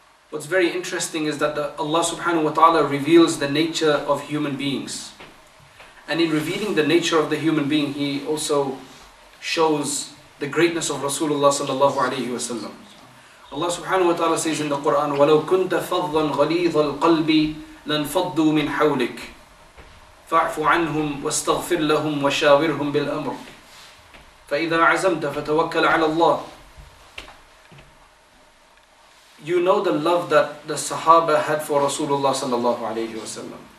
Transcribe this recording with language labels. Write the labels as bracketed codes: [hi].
[en] What's very interesting is that Allah subhanahu wa ta'ala reveals the nature of human beings. And in revealing the nature of the human being, he also shows the greatness of Rasulullah sallallahu alayhi wa sallam. Allah subhanahu wa ta'ala says in the Quran, [ar] وَلَوْ كُنْتَ فَضًّا غَلِيظَ الْقَلْبِ لَنْفَضُّوا مِنْ حَوْلِكَ فَاعْفُ عَنْهُمْ وَاسْتَغْفِرْ لَهُمْ وَشَاوِرْهُمْ بِالْأَمْرِ فَإِذَا عَزَمْتَ فَتَوَكَّلْ عَلَى اللَّهِ. [en] You know the love that the Sahaba had for Rasulullah sallallahu alayhi wa sallam.